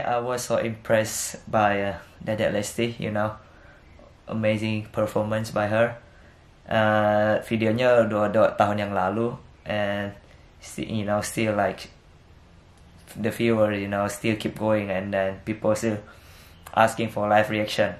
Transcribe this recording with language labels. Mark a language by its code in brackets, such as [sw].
[en] I was so impressed by Dedek Lesti, you know. Amazing performance by her. [id] Videonya 2 tahun yang lalu. [en] And, you know, still like, the viewer, you know, still keep going. And then people still asking for live reaction.